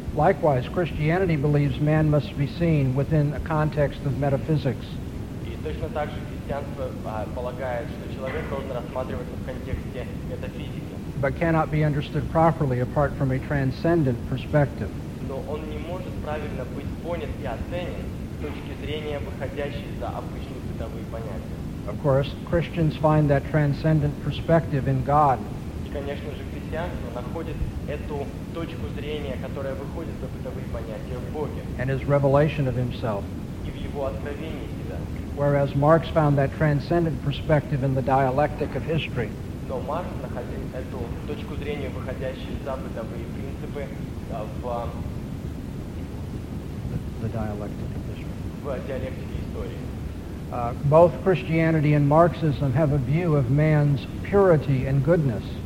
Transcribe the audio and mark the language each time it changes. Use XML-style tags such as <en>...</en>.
<en>Likewise, Christianity believes man must be seen within a context of metaphysics.</en> <ru>И точно так же христианство полагает, что человек должен рассматриваться в контексте метафизики.</ru> <en>But cannot be understood properly apart from a transcendent perspective.</en> <ru>Но он не может правильно быть понят и оценен с точки зрения, выходящей за обычные бытовые понятия.</ru> <en>Of course, Christians find that transcendent perspective in God.</en> <ru>И, конечно же, христианство находит эту точку зрения, которая выходит за бытовые понятия, в Боге.</ru> <en>And his revelation of himself.</en> <ru>И в его откровении себя.</ru> <en>Whereas Marx found that transcendent perspective in the dialectic of history.</en> <ru>Но Маркс находил эту точку зрения, выходящую за бытовые принципы, в</ru> <en>the dialectic of history.</en> <ru>В диалектике истории.</ru> <en>Both Christianity and Marxism have a view of man's purity and goodness.</en>